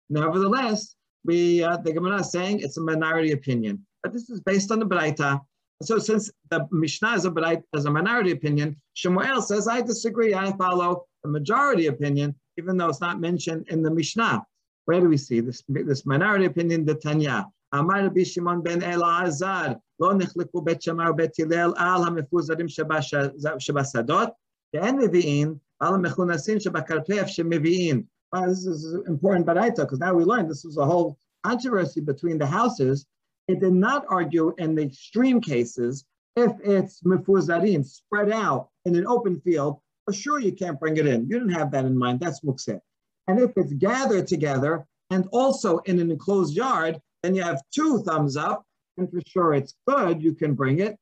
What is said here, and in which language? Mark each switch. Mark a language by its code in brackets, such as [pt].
[en] Nevertheless, the Gemara is saying it's a minority opinion. But this is based on the Braita. So since the Mishnah is a minority opinion, Shmuel says, I disagree, I follow the majority opinion, even though it's not mentioned in the Mishnah. Where do we see this minority opinion, the Tanya? [he] אמר רבי שמעון בן אלעזר, לא נחלקו בית שמאי ובית הלל על המפוזרים שבשדות, שאין מביאין, על המכונסים שבכרפף שמביאין. [en] Well, this is important baraita, because now we learn this was a whole controversy between the houses. It did not argue in the extreme cases, if it's mefuzarim, spread out in an open field, for sure you can't bring it in. You didn't have that in mind, that's mukseh. And if it's gathered together, and also in an enclosed yard, then you have two thumbs up, and for sure it's good, you can bring it.